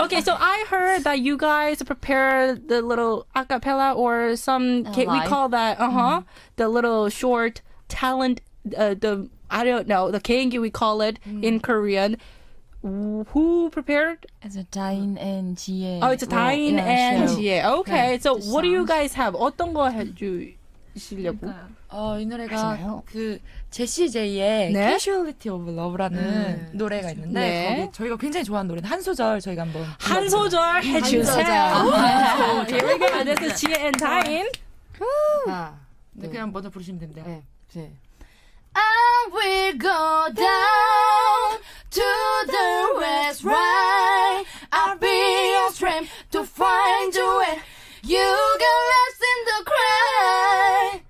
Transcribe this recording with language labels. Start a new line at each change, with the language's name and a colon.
English: Okay, so I heard that you guys prepared the little a cappella or some we call that the little short. Talent, I don't know, the kaengi we call it in Korean. Who prepared? It's a Dain and Jie. Oh, it's a Dain and Jie. Okay, yeah, so what do you guys have?
Korean: 어떤 거 해주시려고? 이 노래가 그 제시 제이의 네? Casuality of Love라는 노래가 있는데 네. 거기 저희가 굉장히 좋아하는 노래 한 소절 저희가 한번 한 소절 해주세요.
English: Here we go. This is Jie and Dain.
Korean: 네. 그냥 먼저 부르시면 됩니다. 네.
English: I will go down to the west, right? I'll be your strength to find you when you get lost in the cry.